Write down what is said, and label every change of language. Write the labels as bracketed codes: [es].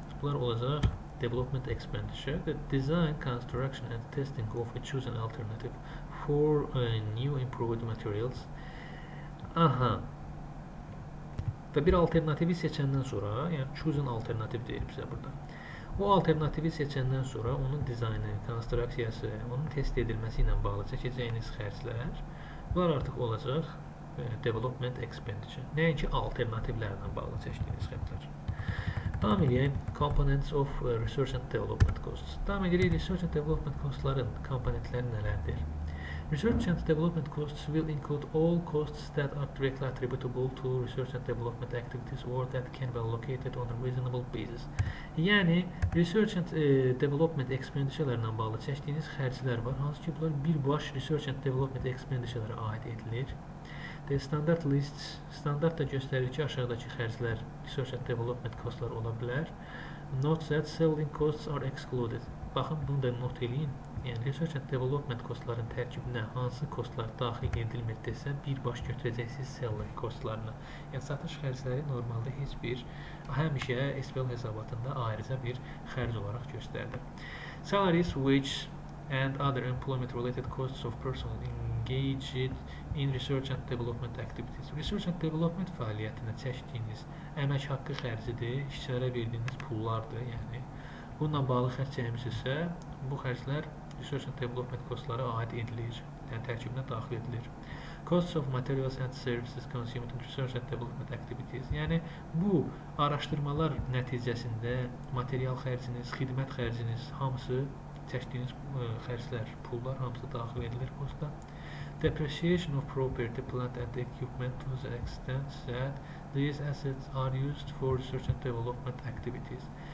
[az] Bunlar olacaq [en] development expenditure, the design, construction and testing of a chosen alternative for new improved materials. Aha. [az] Və bir alternativi seçəndən sonra, yəni chosen alternative deyir bizə burada. O alternativi seçəndən sonra onun dizaynı, konstruksiyası, onun test edilməsi ilə bağlı çəkəcəyiniz xərclər bunlar artıq olacaq development expenditure. Nəinki alternativlərlə bağlı çəkdiyiniz xərclər. Tam edirik, [en] components of research and development costs. [az] Tam edirik, research and development costsların komponentləri nələrdir? [en] Research and development costs will include all costs that are directly attributable to research and development activities or that can be allocated on a reasonable basis. [az] Yəni, research and development expenditure-lərlə bağlı çəkdiyiniz xərclər var, hansı ki, bunlar birbaş research and development expenditure-lərə aid edilir. [en] The standard lists, [az] standart da göstərir ki, aşağıdakı xərclər research and development costs-lar ola bilər. [en] Note that selling costs are excluded. [az] Baxın, bunu da not edin. Yəni, research and development costların tərkibinə hansı costlar daxil edilmir desə, birbaş götürəcəksiniz selling costlarını. Yəni, satış xərcləri normalda heç bir, həmişə SPL hesabatında ayrıca bir xərc olaraq göstərilir. [en] Salaries, wages and other employment-related costs of personnel engaged in research and development activities. [az] Research and development fəaliyyətində çəkdiyiniz əmək haqqı xərcidir, işçilərə verdiyiniz pullardır, yəni. Bununla bağlı xərcəyimiz isə bu xərclər research and development costlara aid edilir, yəni tərkibinə daxil edilir. [en] Costs of materials and services consumed in research and development activities. [az] Yəni bu araşdırmalar nəticəsində material xərciniz, xidmət xərciniz, hamısı çəkdiyiniz xərclər, pullar hamısı daxil edilir costa. [en] Depreciation of property, plant and equipment to the extent that these assets are used for research and development activities.